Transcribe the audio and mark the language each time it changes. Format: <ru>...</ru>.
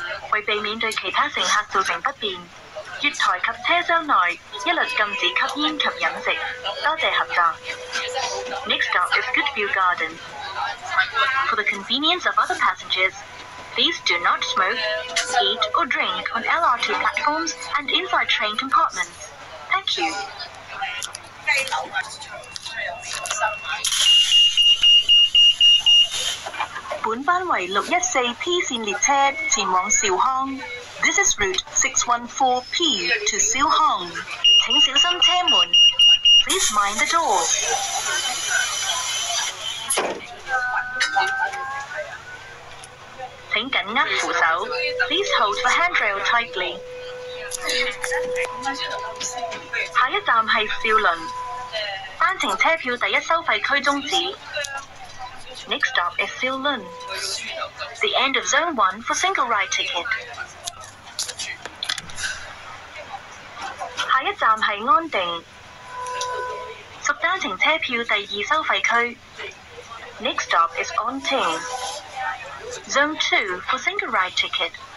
<zh>为避免对其他乘客造成不便，月台及车厢内一律禁止吸烟及饮食。多谢合作。</zh> <en>Next stop is Goodview Garden. For the convenience of other passengers, please do not smoke, eat or drink on LRT platforms and inside train compartments. Thank you.</en> <zh>本班为 614P 线列车前往兆康。</zh> <en>This is route 614P to 兆康。</en> <zh>请小心车门。</zh> <en>Please mind the door.</en> <zh>请紧握扶手。</zh> <en>Please hold the handrail tightly.</en> <zh>下一站是兆伦。单程车票第一收费区终止。</zh> <en>Next stop is 兆伦。 The end of zone 1 for single ride ticket.</en> <zh>下一站是安定，属单程车票第二收费区。</zh> <en>Next stop is 安定 ，Zone 2 for single ride ticket。</en>